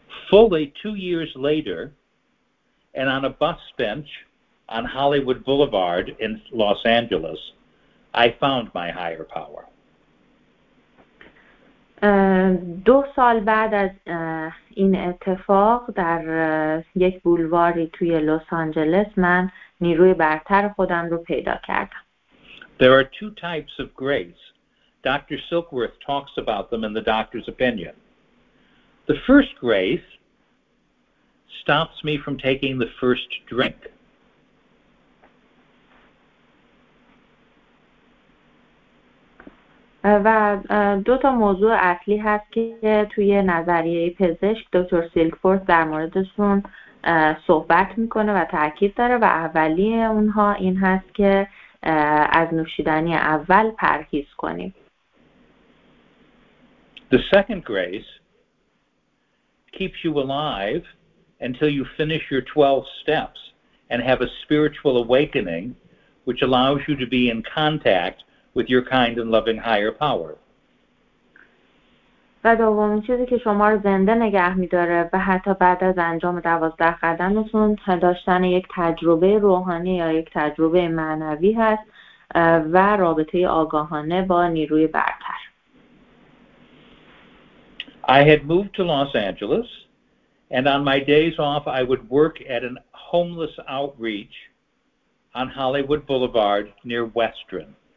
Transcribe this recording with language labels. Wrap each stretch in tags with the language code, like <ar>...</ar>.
<en>Fully 2 years later and on a bus bench on Hollywood Boulevard in Los Angeles I found my higher power.</en> <fa>دو سال بعد از این اتفاق در یک بولواری توی لس آنجلس من نیروی برتر خودم رو پیدا کردم.</fa> <en>There are two types of grace. Dr. Silkworth talks about them in The Doctor's Opinion. The first grace stops me from taking the first drink.</en> <fa>و دو تا موضوع اصلی هست که توی نظریه پزشک دکتر سیلکفورد در موردشون صحبت میکنه و تاکید داره و اولی اونها این هست که از نوشیدنی اول پرهیز کنیم.</fa> <en>The second grace keeps you alive until you finish your 12 steps and have a spiritual awakening which allows you to be in contact with your kind and loving higher power.</en> <fa>و دومین چیزی که شما رو زنده نگه می‌داره و حتی بعد از انجام 12 قدمتون داشتن یک تجربه روحانی یا یک تجربه معنوی هست و رابطه آگاهانه با نیروی برتر.</fa> <en>I had moved to Los Angeles and on my days off I would work at a homeless outreach on Hollywood Boulevard near Western.</en>